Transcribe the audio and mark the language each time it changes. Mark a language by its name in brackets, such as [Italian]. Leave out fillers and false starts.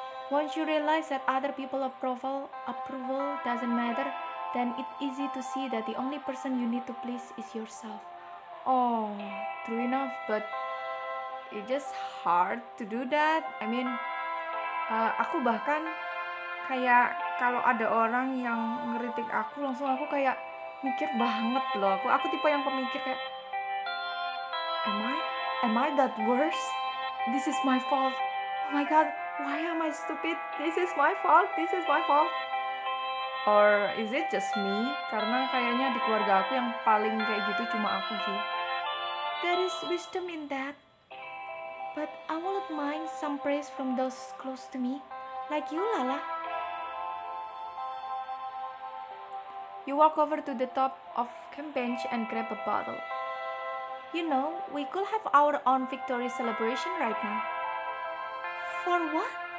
[English] Once you realize that other people's approval doesn't matter, then it's easy to see that the only person you need to please is yourself. Oh, true enough, but it's just hard to do that. I mean, [Indonesian] aku bahkan kayak kalau ada orang yang ngeritik aku, langsung aku kayak mikir banget loh. Aku tipe yang pemikir kayak, [English] Am I that worse? This is my fault. Oh my god, why am I stupid? This is my fault. Or is it just me? [Indonesian] Karena kayaknya di keluarga aku yang paling kayak gitu cuma aku sih. [English] There is wisdom in that. But I won't mind some praise from those close to me. Like you, Lala. You walk over to the top of camp bench and grab a bottle. You know, we could have our own victory celebration right now. For what?